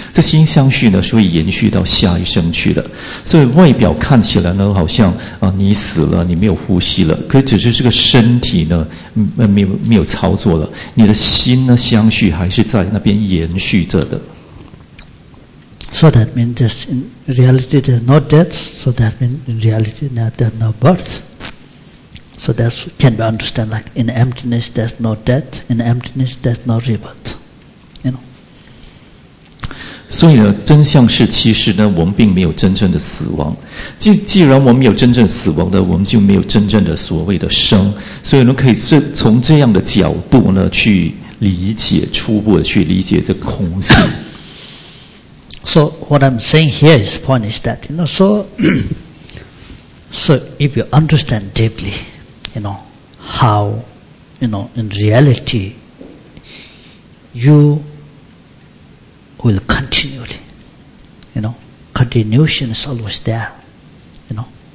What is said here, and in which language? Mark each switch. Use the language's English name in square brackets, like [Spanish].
[Chinese] 这心相续呢，是会延续到下一生去的。所以外表看起来呢，好像你死了，你没有呼吸了，可只是这个身体呢，没有操作了。你的心呢，相续还是在那边延续着的。 [English] So that means that in reality there's no death. So that means in reality there's no birth. So that can be understood like in emptiness there's no death, in emptiness there's no rebirth. You know. [Chinese] 所以呢，真相是其实呢，我们并没有真正的死亡。既然我们没有真正死亡的，我们就没有真正的所谓的生。所以呢，可以从这样的角度呢去理解，初步的去理解这空性。 [English] So what I'm saying here is point is that you know. So so if you understand deeply. You know, how, you know, in reality, you will continually, you know, continuation is always there, you know.